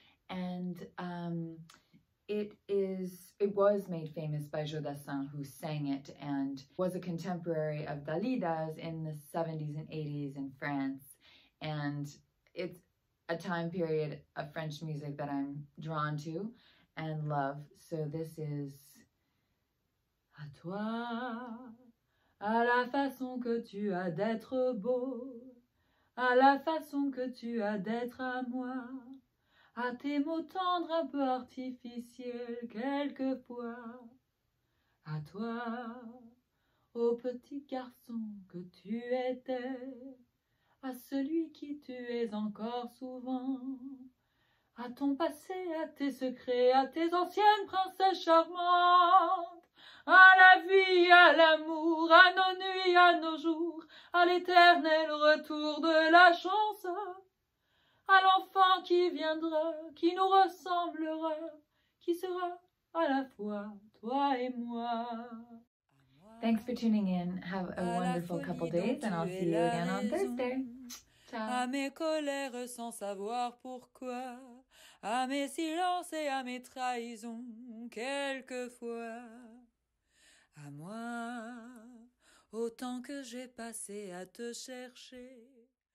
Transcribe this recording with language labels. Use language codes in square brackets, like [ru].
[en] And it was made famous by Joe Dassin, who sang it and was a contemporary of Dalida's in the 70s and 80s in France. And it's a time period of French music that I'm drawn to and love. So this is [fr] À toi, à la façon que tu as d'être beau, à la façon que tu as d'être à moi, à tes mots tendres un peu artificiels quelquefois, à toi, au petit garçon que tu étais, à celui qui tu es encore souvent, à ton passé, à tes secrets, à tes anciennes princesses charmantes, à la vie, à l'amour, à nos nuits, à nos jours, à l'éternel retour de la chance, à l'enfant qui viendra, qui nous ressemblera, qui sera à la fois toi et moi. [en] Thanks for tuning in. Have a wonderful couple days and I'll see you again on Thursday. [it] Ciao. [fr] À mes colères sans savoir pourquoi, à mes silences et à mes trahisons quelquefois, à moi, autant que j'ai passé à te chercher.